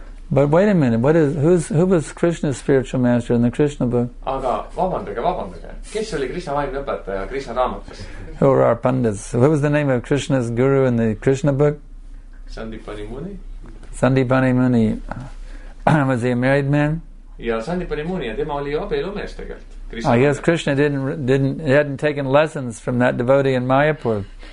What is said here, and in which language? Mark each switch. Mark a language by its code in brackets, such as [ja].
[en] But wait a minute, who was Krishna's spiritual master in the Krishna book? [et] Aga vabandage. Kes oli Krishna vaimne õpetaja Krishna raamatus? [en] Who are our pandits? What was the name of Krishna's guru in the Krishna book? Sandipani Muni. Sandipani Muni. Was he a married man? [et] Ja Sandipani Muni ja tema oli abielu mees tegelikult. [en] I guess Krishna hadn't taken lessons from that devotee in Mayapur.